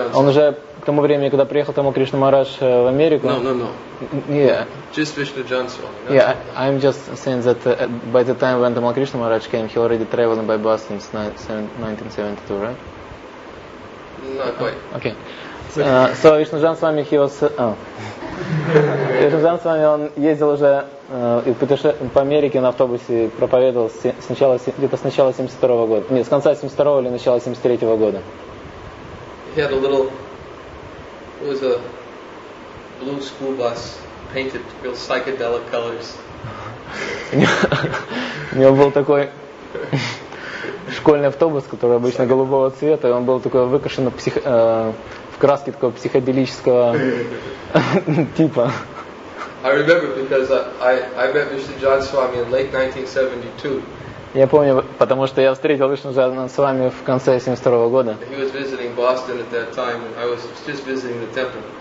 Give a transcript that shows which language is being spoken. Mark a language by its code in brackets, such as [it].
[ru] Он уже к тому времени, когда приехал тому Кришна Махарадж в Америку. [en] Just Vishnu John Swami. Yeah, I'm just saying that by the time when Tamal Krishna Maharaj came, he already traveling by bus since 1972, right? Not quite. Okay. So Vishnu John Swami, he was. [ru] Vishnu John Swami, он ездил уже и путешествовал по Америке на автобусе, проповедовал сначала где-то с начала 72 года, нет, с конца 72 или начала 73 года. [en] He had a little, it was a blue school bus painted real psychedelic colors. [ru] У него был такой школьный автобус, который обычно голубого цвета, и он был такой выкрашен в краске такого психоделического типа. [en] I remember because I met Vishnu John Swami in late 1972. [ru] Я помню, потому что я встретил Вишну Джана Свами в конце 72 года. [en] He was visiting Boston at that time, and I was just visiting the temple.